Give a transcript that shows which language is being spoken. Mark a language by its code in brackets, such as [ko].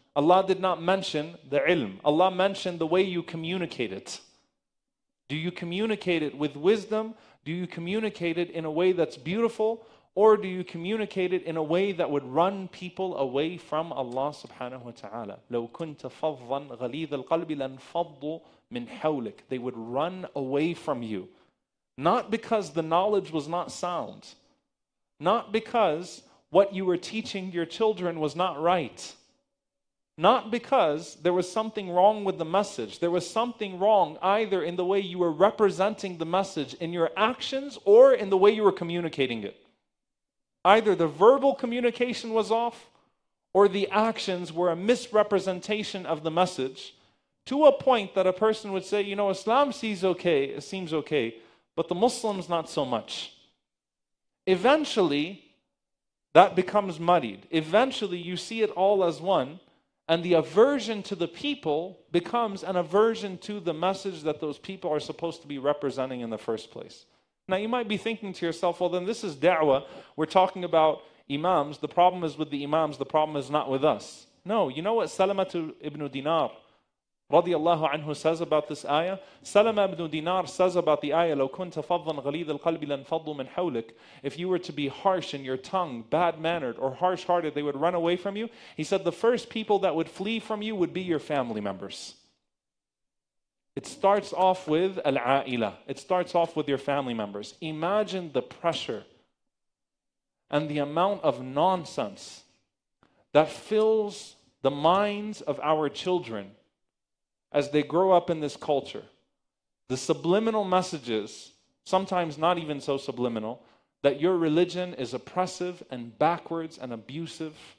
[en] Allah did not mention the ilm. Allah mentioned the way you communicate it. Do you communicate it with wisdom? Do you communicate it in a way that's beautiful? Or do you communicate it in a way that would run people away from Allah subhanahu wa ta'ala? [ar] لو كنت فضاً غليظ القلب لانفضوا من حولك. [en] They would run away from you. Not because the knowledge was not sound. Not because what you were teaching your children was not right. Not because there was something wrong with the message. There was something wrong either in the way you were representing the message in your actions or in the way you were communicating it. Either the verbal communication was off or the actions were a misrepresentation of the message to a point that a person would say, you know, Islam sees okay, it seems okay, but the Muslims not so much. Eventually, that becomes muddied. Eventually, you see it all as one. And the aversion to the people becomes an aversion to the message that those people are supposed to be representing in the first place. Now you might be thinking to yourself, well then this is da'wah, we're talking about imams, the problem is with the imams, the problem is not with us. No, you know what Salamah ibn Dinar radiallahu anhu says about this ayah? Salamah ibn Dinar says about the ayah, [ar] لَوْ كُنْتَ فَضًّا غَلِيدَ الْقَلْبِ لَنْفَضُّ مِنْ حَوْلِكَ. [en] If you were to be harsh in your tongue, bad-mannered or harsh-hearted, they would run away from you. He said the first people that would flee from you would be your family members. It starts off with al-a'ila. It starts off with your family members. Imagine the pressure and the amount of nonsense that fills the minds of our children as they grow up in this culture, the subliminal messages, sometimes not even so subliminal, that your religion is oppressive and backwards and abusive,